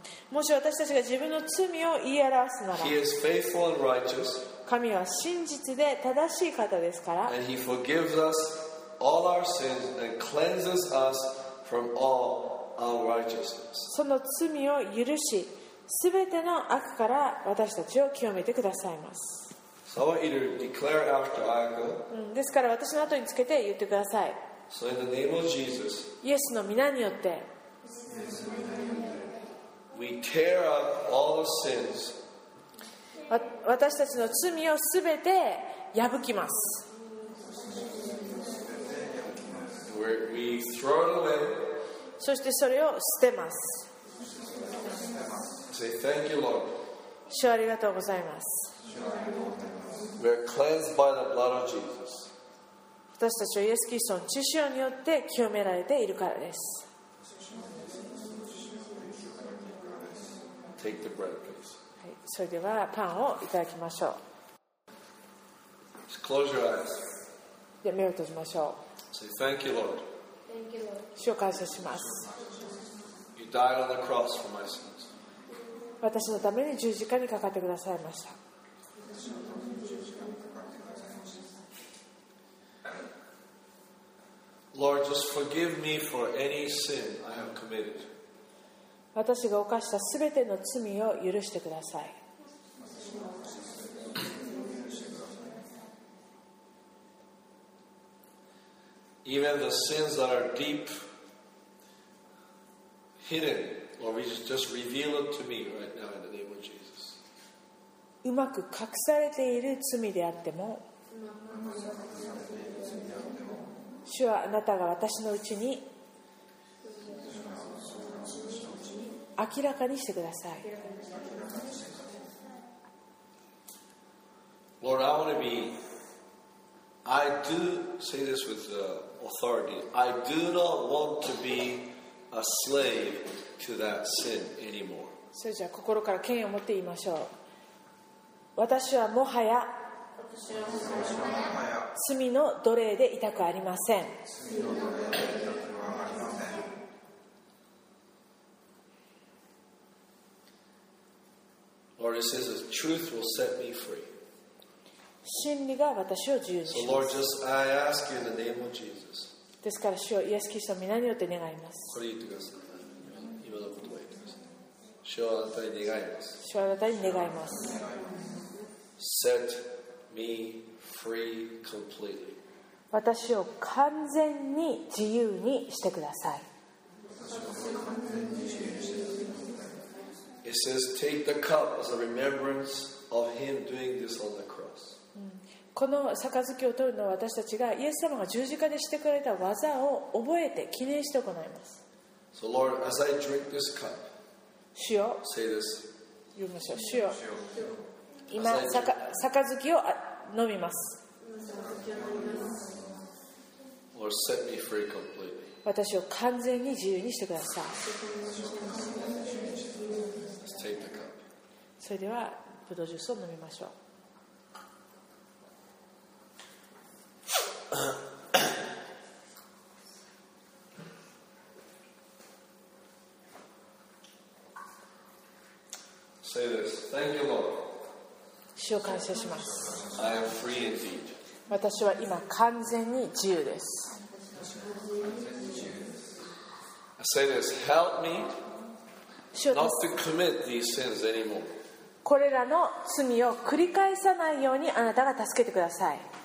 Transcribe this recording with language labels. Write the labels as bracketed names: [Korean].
[Japanese] もし私たちが自分の罪を言い表すなら、 [English] He is faithful and righteous, [Japanese] 神は真実で正しい方ですから、 [English] And he forgives us all our sins and cleanses us from all [Japanese] その罪を許し、すべての悪から私たちを清めてくださいます。 [English] So、declare after I go. [Japanese] ですから私の後につけて言ってください。 [English] So、in the name of Jesus, [Japanese] イエスの皆によって、 [English] We tear up all the sins. [Japanese] 私たちの罪をすべて破きます。 [English] We throw it away. [Japanese] そしてそれを捨てます。 [English] Say, thank you, Lord. [Japanese] 主ありがとうございます。 [English] We are cleansed by the blood of Jesus. [Japanese] 私たちはイエス・キリストの血潮によって清められているからです。 [English] Take the bread, please.、 [Japanese] はい、それではパンをいただきましょう。 [English] Just close your eyes. [Japanese] で目を閉じましょう。 [English] Say, thank you, Lord. [Japanese] 主を感謝します。 [English] You died on the cross for my sins. [Japanese] 私のために十字架にかかってくださいました。 [English] Lord, just forgive me for any sin I have committed. [Japanese] 私が犯したすべての罪を許してください。 [English] Even the sins that are deep, hidden, Lord, we just reveal it to me right now in the name of Jesus. [Japanese] うまく隠されている罪であっても、主はあなたが私のうちに明らかにしてください。 [English] Lord, I want to be. I do say this with authority. I do not want to be a slave to that sin anymore. [Japanese] そうじゃ心から権威を持って言いましょう。私はもはや罪の奴隷でいたくありません。 [English] Lord, it says the truth will set me free. [Japanese] 真理が私を自由にします。 [English] So Lord, just I ask you in the name of Jesus. [Japanese] ですから主をイエス・キリストの皆によって願います。これ言ってください。今のことを言ってください。主をあなたに願います。主をあなたに願います。 [English] Set me free completely. [Japanese] 私を完全に自由にしてください。 [English] It says take the cup as a remembrance of him doing this on the cross. [Japanese] この杯を取るのは私たちがイエス様が十字架でしてくれた技を覚えて記念して行います。 [English] So Lord, as I drink this cup, [Japanese] 主よ、 [English] say this. [Japanese] 言いましょう。主よ、今杯を飲みます。 [English] Lord, set me free completely. [Japanese] 私を完全に自由にしてください。 [English] Let's take the cup. [Japanese] それではブドウジュースを飲みましょう。 [English] Thank you, Lord. [Japanese] 主を感謝します。 [English] I am free indeed. [Japanese] 私は今完全に自由です。 [English] I say this, help me not to commit these sins anymore. [Japanese] これらの罪を繰り返さないようにあなたが助けてください。